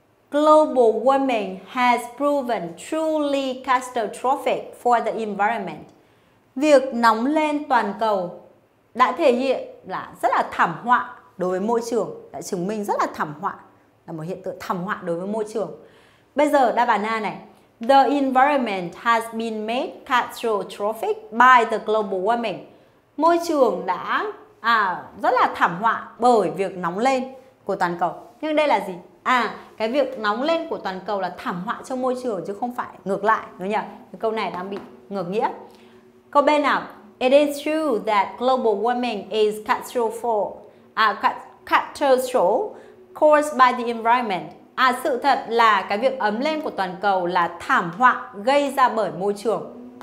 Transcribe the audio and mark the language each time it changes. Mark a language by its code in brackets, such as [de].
[en] Global warming has proven truly catastrophic for the environment. [vi] Việc nóng lên toàn cầu đã thể hiện là rất là thảm họa đối với môi trường, đã chứng minh rất là thảm họa, là một hiện tượng thảm họa đối với môi trường. Bây giờ đáp án A này. [en] The environment has been made catastrophic by the global warming. [vi] Môi trường đã rất là thảm họa bởi việc nóng lên của toàn cầu. Nhưng đây là gì? Cái việc nóng lên của toàn cầu là thảm họa cho môi trường chứ không phải ngược lại, đúng không nhỉ? Câu này đang bị ngược nghĩa. Câu B nào? [en] It is true that global warming is catastrophic caused by the environment. [vi] Sự thật là cái việc ấm lên của toàn cầu là thảm họa gây ra bởi môi trường.